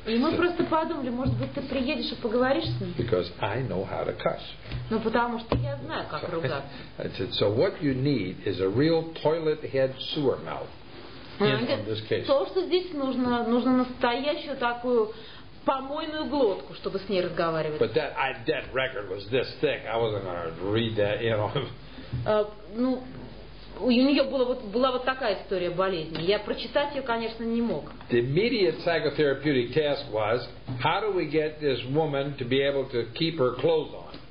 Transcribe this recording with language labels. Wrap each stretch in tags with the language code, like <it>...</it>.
<ru>И мы просто подумали, может быть, ты приедешь и поговоришь с ней.</ru> <en>Because I know how to cuss.</en> <ru>Ну потому что я знаю, как ругаться.</ru> <en>I said, so what you need is a real toilet head sewer mouth.</en> <ru>То, что здесь нужно, нужно настоящую такую помойную глотку, чтобы с ней разговаривать.</ru> <en>But that record was this thick. I wasn't gonna read that, you know.</en> <ru>У нее была такая история болезни. Я прочитать ее, конечно, не мог.</ru> <en>The immediate psychotherapeutic task was, how do we get this woman to be able to keep her clothes on?</en>